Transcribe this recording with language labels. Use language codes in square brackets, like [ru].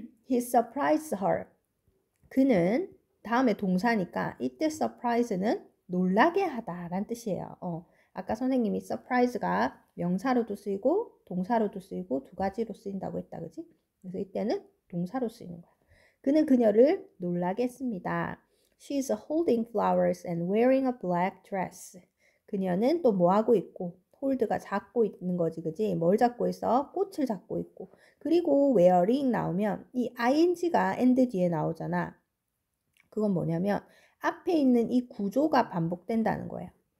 [en] He surprised her. [ko] 그는 다음에 동사니까 이때 surprise는 놀라게 하다란 뜻이에요. 아까 선생님이 surprise가 명사로도 쓰이고 동사로도 쓰이고 두 가지로 쓰인다고 했다, 그지? 그래서 이때는 동사로 쓰이는 거야. 그는 그녀를 놀라게 했습니다. [en] She is holding flowers and wearing a black dress. [ko] 그녀는 또뭐 하고 있고, hold가 잡고 있는 거지, 그지? 뭘 잡고 있어? 꽃을 잡고 있고. 그리고 wearing 나오면 이 ing가 and 뒤에 나오잖아. 그건 뭐냐면 앞에 있는 이 구조가 반복된다는 거예요.